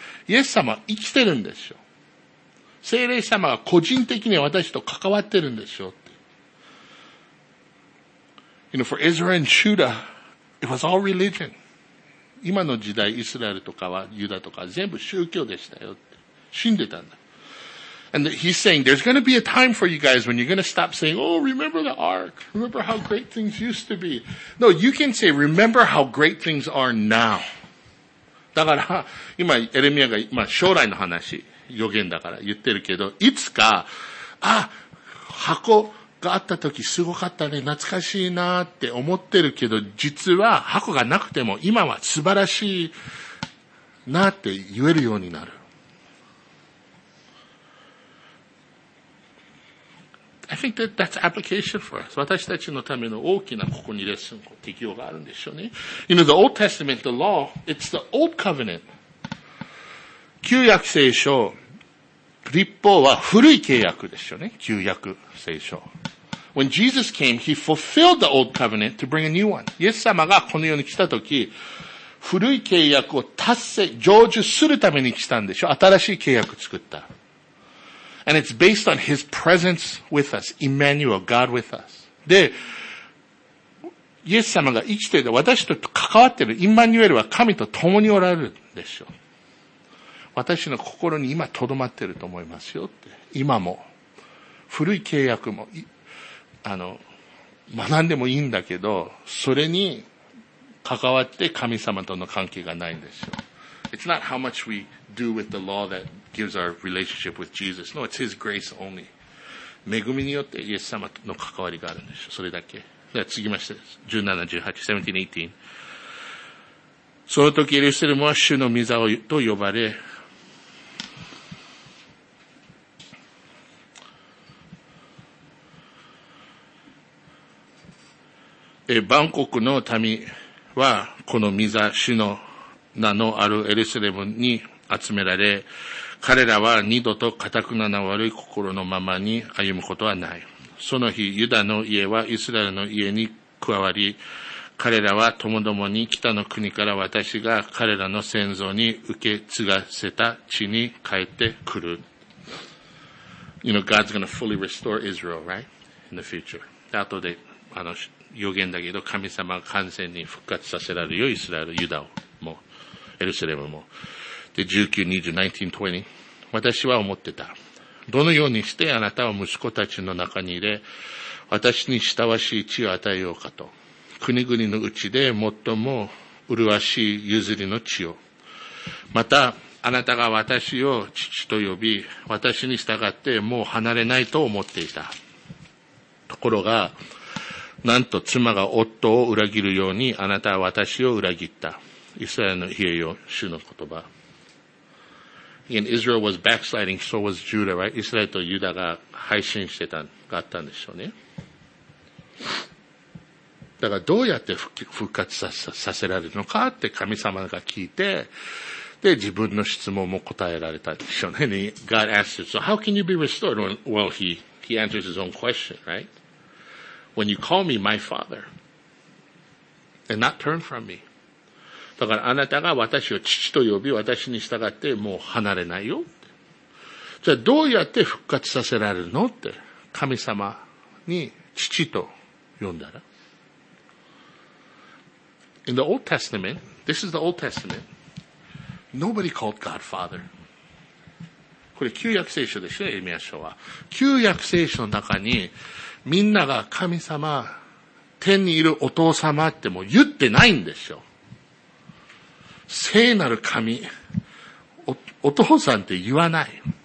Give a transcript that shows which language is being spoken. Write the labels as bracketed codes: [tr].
[ja] イエス様は生きてるんでしょ。聖霊様は個人的に私と関わってるんでしょ。 [en] You know, for Israel and Judah, it was all religion. [ja] 今の時代、イスラエルとかはユダとか全部宗教でしたよって。死んでたんだ。 [en] And he's saying, there's going to be a time for you guys when you're going to stop saying, oh, remember the ark. Remember how great things used to be. No, you can say, remember how great things are now. [ja] だから、今、エレミアが、まあ、将来の話、予言だから言ってるけど、いつか、あ、箱、があったときすごかったね、懐かしいなって思ってるけど、実は箱がなくても今は素晴らしいなって言えるようになる。 [en] I think that that's application for us. [ja] 私たちのための大きなここにレッスン、適用があるんでしょうね。 [en] You know, the Old Testament, the law, it's the old covenant. [ja] 旧約聖書、立法は古い契約でしょうね。旧約聖書。 [en] When Jesus came, he fulfilled the old covenant to bring a new one. [ja] イエス様がこの世に来たとき、古い契約を達成、成就するために来たんでしょ。新しい契約作った。 [en] And it's based on his presence with us, Emmanuel, God with us. [ja] で、イエス様が生きていて私と関わっている、イマニュエルは神と共におられるでしょ。私の心に今とどまってると思いますよって。今も。古い契約も、学んでもいいんだけど、それに関わって神様との関係がないんですよ。 [en] It's not how much we do with the law that gives our relationship with Jesus. No, it's His grace only. [ja] 恵みによってイエス様との関わりがあるんですよ。それだけ。では次まして、17、18、17、18。その時エルサレムは主の御座と呼ばれ、万国の民はこの御座、主の名のあるエルサレムに集められ、彼らは二度と固くなな悪い心のままに歩むことはない。その日、ユダの家はイスラエルの家に加わり、彼らはともどもに北の国から私が彼らの先祖に受け継がせた地に帰ってくる。 [en] You know, God's going to fully restore Israel, right? In the future. [ja] 後で、予言だけど神様が完全に復活させられるよ、イスラエル、ユダをもエルサレムも。で、19、20、19、20、私は思ってた。どのようにしてあなたは息子たちの中に入れ私に親しい地を与えようかと。国々のうちで最も麗しい譲りの地を。またあなたが私を父と呼び私に従ってもう離れないと思っていた。ところがなんと妻が夫を裏切るようにあなたは私を裏切った。イスラエルの家よ、主の言葉。 [en] And Israel was backsliding, so was Judah, right? [ja] イスラエルとユダが背信してた、があったんでしょうね。だからどうやって復活させられるのかって神様が聞いて、で、自分の質問も答えられたんでしょうね。 [en] God asked him, so how can you be restored? Well, he answers his own question, right? When you call me my father and not turn from me. [ja] だからあなたが私を父と呼び私に従ってもう離れないよ。じゃあどうやって復活させられるのって神様に父と読んだら。 [en] In the Old Testament, this is the Old Testament, nobody called God Father. [ja] これ旧約聖書でしょ、エレミア書は。旧約聖書の中に、みんなが神様、天にいるお父様ってもう言ってないんでしょ。聖なる神、お父さんって言わない。